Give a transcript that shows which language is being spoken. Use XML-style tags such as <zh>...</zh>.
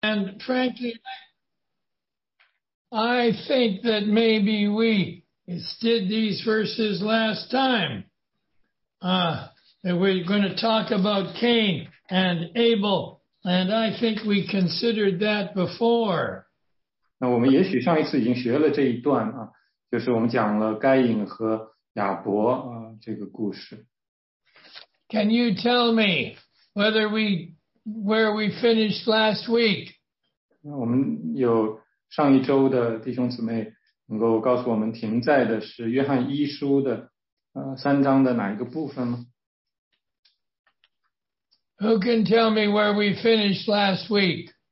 <en>And frankly, I think that maybe we did these verses last time. And we're going to talk about Cain and Abel, and I think we considered that before.</en> <zh>那我们也许上一次已经学了这一段啊，就是我们讲了该隐和亚伯啊这个故事。</zh> <en>Can you tell me whether we where we finished last week?</en> <zh>那我们有上一周的弟兄姊妹能够告诉我们停在的是约翰一书的三章的哪一个部分吗？</zh> <en>Who can tell me where we finished last week?</en>